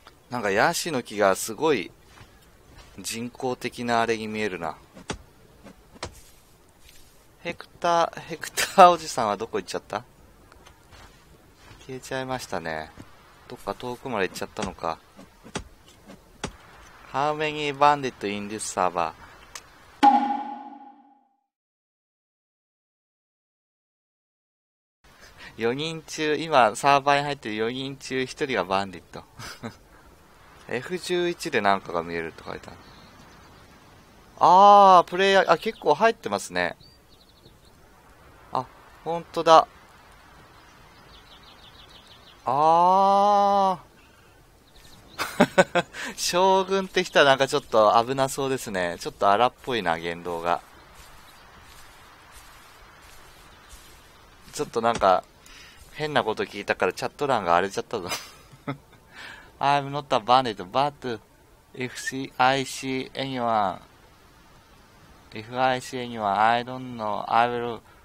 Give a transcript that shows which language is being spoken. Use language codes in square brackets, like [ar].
[ja] なんかヤシの木がすごい人工的なあれに見えるな。ヘクターおじさんはどこ行っちゃった？消えちゃいましたね。どっか遠くまで行っちゃったのか。 [en] How many bandits in this server? [ja] ?4 人中、今サーバーに入ってる4人中1人がバンディット。 F11 でなんかが見えるって書いてある。あー、プレイヤー、あ、結構入ってますね。ほんとだ。あー。将軍って人はなんかちょっと危なそうですね。ちょっと荒っぽいな、言動が。ちょっとなんか、変なこと聞いたからチャット欄が荒れちゃったぞ。 [en] I'm not a bandit, but if I see anyone, if I see anyone, I don't know, I will...